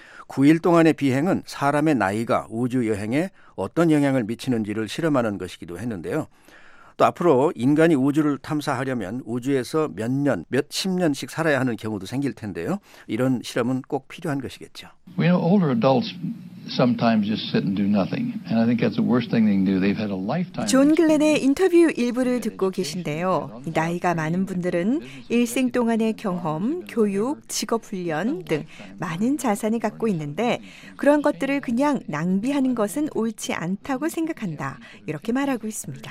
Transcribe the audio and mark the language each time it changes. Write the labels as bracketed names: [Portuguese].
[Korean] 9일 동안의 비행은 사람의 나이가 우주여행에 어떤 영향을 미치는지를 실험하는 것이기도 했는데요. 또 앞으로 인간이 우주를 탐사하려면 우주에서 몇 년, 몇십 년씩 살아야 하는 경우도 생길 텐데요. 이런 실험은 꼭 필요한 것이겠죠. [English] We know older adults sometimes just sit and do nothing. And I think that's the worst thing they can do. They've had a lifetime. [Korean] 존 글렌의 인터뷰 일부를 듣고 계신데요. 나이가 많은 분들은 일생 동안의 경험, 교육, 직업 훈련 등 많은 자산을 갖고 있는데 그런 것들을 그냥 낭비하는 것은 옳지 않다고 생각한다. 이렇게 말하고 있습니다.